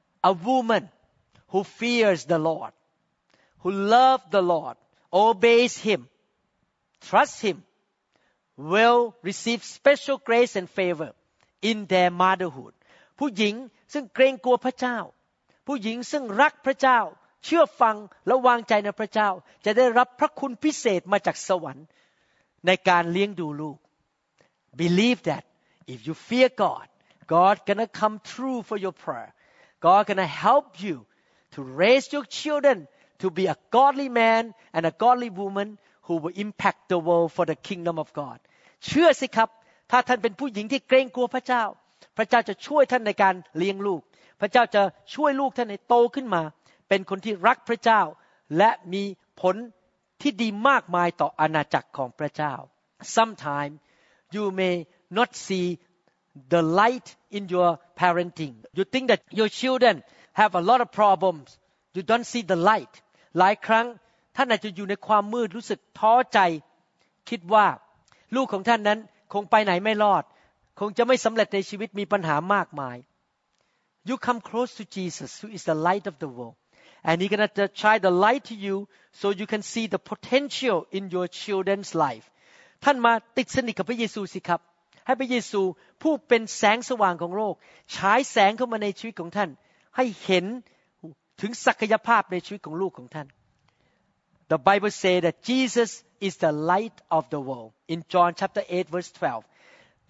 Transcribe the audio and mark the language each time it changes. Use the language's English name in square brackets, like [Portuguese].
[English] A woman who fears the Lord, who loves the Lord, obeys Him, trusts Him, will receive special grace and favor in their motherhood. [Thai] ผู้หญิงซึ่งเกรงกลัวพระเจ้า ผู้หญิงซึ่งรักพระเจ้าเชื่อฟังและวางใจในพระเจ้าจะได้รับพระคุณพิเศษมาจากสวรรค์ในการเลี้ยงดูลูก [English] Believe that if you fear God, God gonna come true for your prayer. God gonna help you to raise your children to be a godly man and a godly woman who will impact the world for the kingdom of God. [Thai] เชื่อสิครับถ้าท่านเป็นผู้หญิงที่เกรงกลัวพระเจ้าพระเจ้าจะช่วยท่านในการเลี้ยงลูกพระเจ้าจะช่วยลูกท่านให้โตขึ้นมาเป็นคนที่รักพระเจ้าและมีผลที่ดีมากมายต่ออาณาจักรของพระเจ้า [English] Sometimes you may not see the light in your parenting. You think that your children have a lot of problems. You don't see the light. [Thai] หลายครั้งท่านอาจจะอยู่ในความมืดรู้สึกท้อใจคิดว่าลูกของท่านนั้นคงไปไหนไม่รอดคงจะไม่สำเร็จในชีวิตมีปัญหามากมาย [English] You come close to Jesus who is the light of the world. And he's going to shine the light to you so you can see the potential in your children's life. [Thai] ท่านมาติดสนิทกับพระเยซูสิครับให้พระเยซูผู้เป็นแสงสว่างของโลกฉายแสงเข้ามาในชีวิตของท่านให้เห็นถึงศักยภาพในชีวิตของลูกของท่าน [English] The Bible says that Jesus is the light of the world in John chapter 8 verse 12.